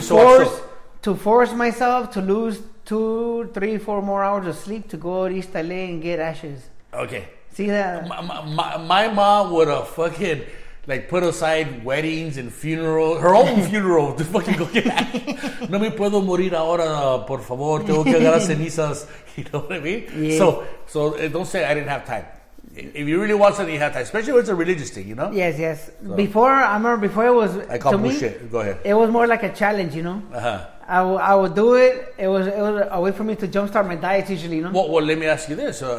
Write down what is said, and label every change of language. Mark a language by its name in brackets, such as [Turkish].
[English] forced, to force myself to lose 2, 3, 4 more hours of sleep to go to East LA and get ashes. Okay. See that? My mom would have fucking like put aside weddings and funeral, her own funeral, to fucking go get ashes. [Spanish] No me puedo morir ahora, por favor. Tengo que agarrar cenizas. [English] You know what I mean? Yeah. So don't say I didn't have time. If you really want something, you have time. Especially when it's a religious thing, you know? Yes, yes. So. Before, I remember it was bullshit. Go ahead. It was more like a challenge, you know? Uh-huh. I would do it. It was a way for me to jumpstart my diet usually, you know? Well, let me ask you this.